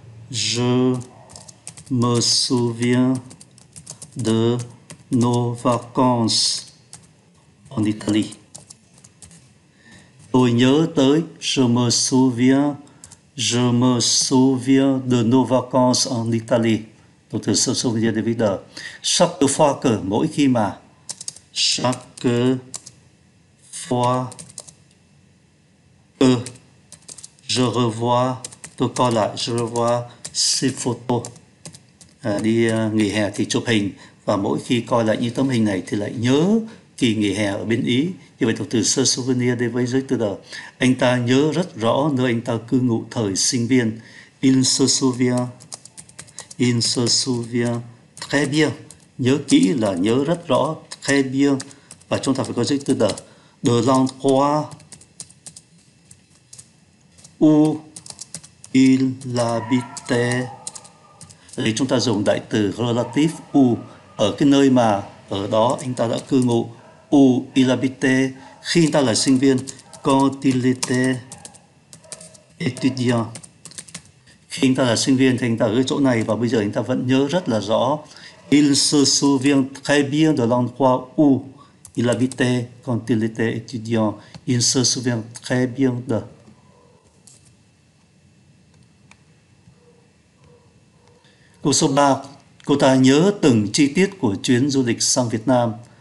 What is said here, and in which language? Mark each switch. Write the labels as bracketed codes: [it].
[fr] Je me souviens de nos vacances en Italie. Tôi nhớ tới, je me souviens de nos vacances en Italie. [vi] Động từ sơ souvenir de vida. [fr] Chaque fois que, mỗi khi mà. Chaque fois que je revois, tôi coi lại, je revois ces photos. [vi] Đi nghỉ hè thì chụp hình, và mỗi khi coi lại những tấm hình này thì lại nhớ kỳ nghỉ hè ở bên Ý. Như vậy động từ sơ souvenir đến với giới tư đờ. Anh ta nhớ rất rõ nơi anh ta cư ngụ thời sinh viên. [fr] Il se souvient très bien. [vi] Nhớ kỹ là nhớ rất rõ. Très bien. Và chúng ta phải có giới tư đờ. [fr] De l'endroit où il habitait. [vi] Đây chúng ta dùng đại từ relative où. Ở cái nơi mà ở đó anh ta đã cư ngụ. Où il habitait, khi ta là sinh viên. Quand il était étudiant, khi ta là sinh viên thì anh ta ở chỗ này, và bây giờ anh ta vẫn nhớ rất là rõ. [fr] Il se souvient très bien de l'endroit où il habitait quand il était étudiant. Il se souvient très bien de. [vi] Câu số 3, cô ta nhớ từng chi tiết của chuyến du lịch sang Việt Nam.